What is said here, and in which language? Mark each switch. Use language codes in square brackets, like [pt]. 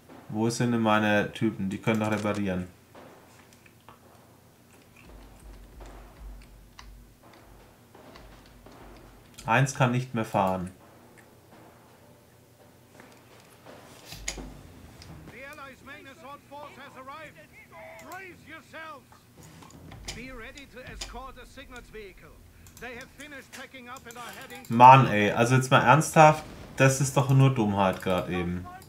[de] Wo sind denn meine Typen? Die können doch reparieren. Eins kann nicht mehr fahren. [en] The Allies' main assault force has arrived. Brace yourselves. Be ready to escort a Signals vehicle. They have finished packing up and are heading. [de] Mann, ey, also jetzt mal ernsthaft, das ist doch nur Dummheit gerade eben.